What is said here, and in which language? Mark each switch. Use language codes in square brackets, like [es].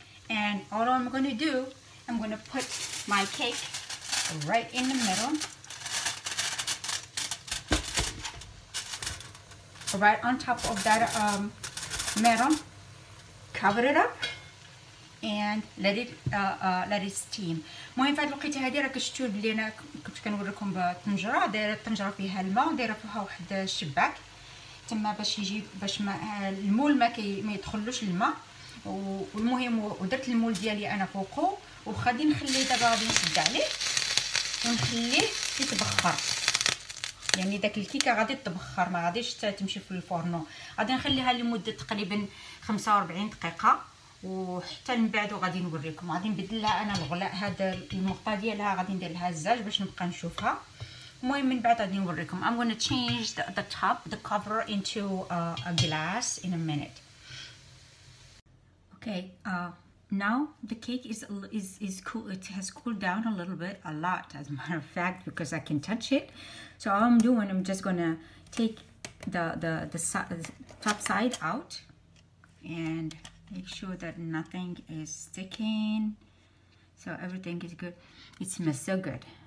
[en] And all I'm going to do, I'm going to put my cake right in the middle. Right on top of that metal. Cover it up. And let it steam. [ar] المهم فهاد الوقيته هادي راه كشتو بلي انا كنت كنوريكم بالطنجره، دايره الطنجره فيها الماء ودايره فيها واحد الشباك تما باش يجي باش ما المول ما يدخلوش الماء. والمهم ودرت المول ديالي انا فوقه وغادي نخليه دابا غادي نسد عليه ونخليه يتبخر. يعني داك الكيكه غادي تبخر ما غاديش تمشي في الفرن. غادي نخليها لمده تقريبا 45 دقيقه وحتى من بعد غادي نوريكم. غادي نبدل لها انا الغلاء هذا المقطه ديالها، غادي ندير لها الزاج باش نبقى نشوفها. المهم من بعد غادي نوريكم. [en] I'm going to change the top, the cover into a glass in a minute. Okay, now the cake is cool. It has cooled down a little bit, a lot as a matter of fact, because I can touch it. So all I'm doing, I'm just going to take the top side out and make sure that nothing is sticking. So everything is good. It smells so good.